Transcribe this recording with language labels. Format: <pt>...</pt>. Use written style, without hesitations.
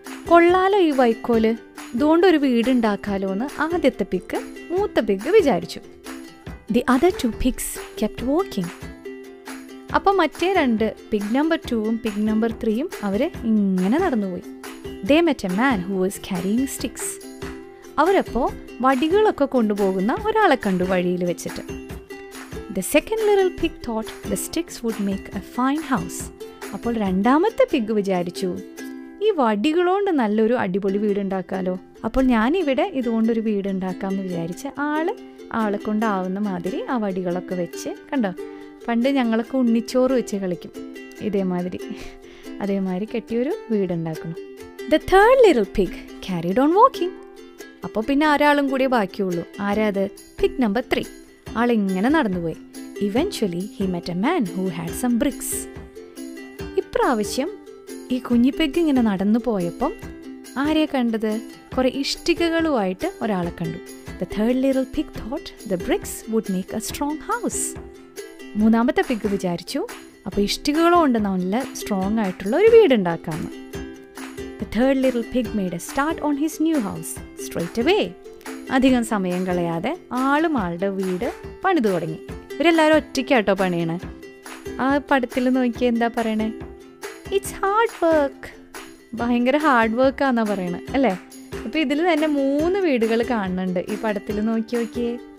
<ml>കൊള്ളാലോ ഈ വൈക്കോല്, ഇതുകൊണ്ട് ഒരു വീടുണ്ടാക്കാലോ എന്ന് ആദ്യത്തെ പിഗ് മൂത്ത പിഗ് വിചാരിച്ചു.</ml> <en>The other two pigs kept walking.</en> <ml>അപ്പോൾ മറ്റേ രണ്ട് പിഗ് നമ്പർ ടുവും പിഗ് നമ്പർ ത്രീയും അവർ ഇങ്ങനെ നടന്നുപോയി.</ml> <en>They met a man who was carrying sticks.</en> <ml>അവരപ്പോൾ വടികളൊക്കെ കൊണ്ടുപോകുന്ന ഒരാളെ കണ്ടു വഴിയിൽ വെച്ചിട്ട്.</ml> <en>The second little pig thought the sticks would make a fine house.</en> <ml>അപ്പോൾ രണ്ടാമത്തെ പിഗ് വിചാരിച്ചു, ഈ വടികളോണ്ട് നല്ലൊരു അടിപൊളി വീടുണ്ടാക്കാലോ, അപ്പോൾ ഞാനിവിടെ ഇതുകൊണ്ടൊരു വീടുണ്ടാക്കാമെന്ന് വിചാരിച്ച് ആളെ കൊണ്ടാവുന്ന മാതിരി ആ വടികളൊക്കെ വെച്ച്. കണ്ടോ, പണ്ട് ഞങ്ങളൊക്കെ ഉണ്ണിച്ചോറ് വെച്ച് കളിക്കും ഇതേമാതിരി, അതേമാതിരി കെട്ടിയൊരു വീടുണ്ടാക്കണം.</ml> <en>The third little pig carried on walking.</en> <ml>അപ്പോൾ പിന്നെ ഒരാളും കൂടിയേ ബാക്കിയുള്ളൂ. ആരാ അത്? Pig number three. ആളിങ്ങനെ നടന്നുപോയി.</ml> <en>Eventually he met a man who had some bricks.</en> <ml>ഇപ്രാവശ്യം ഈ കുഞ്ഞി പിഗ് ഇങ്ങനെ നടന്നു പോയപ്പം ആരെയാ കണ്ടത്? കുറെ ഇഷ്ടികകളുമായിട്ട് ഒരാളെ കണ്ടു.</ml> <en>The third little pig thought the bricks would make a strong house.</en> <ml>മൂന്നാമത്തെ പിഗ് വിചാരിച്ചു, അപ്പോൾ ഇഷ്ടികകളും ഉണ്ട്, നല്ല സ്ട്രോങ് ആയിട്ടുള്ള ഒരു വീടുണ്ടാക്കാമെന്ന്.</ml> <en>The third little pig made a start on his new house straight away.</en> <ml>അധികം സമയം കളയാതെ ആളും ആളുടെ വീട് പണിതു തുടങ്ങി. ഇവരെല്ലാവരും ഒറ്റയ്ക്കാട്ടോ പണിയണേ. ആ പടത്തിൽ നോക്കി എന്താ പറയണേ?</ml> <en>It's hard work.</en> <ml>ഭയങ്കര ഹാർഡ് വർക്കാന്നാ പറയണേ അല്ലേ. അപ്പൊ ഇതിൽ തന്നെ മൂന്ന് വീടുകൾ കാണുന്നുണ്ട് ഈ പടത്തിൽ നോക്കി നോക്കിയേ.</ml>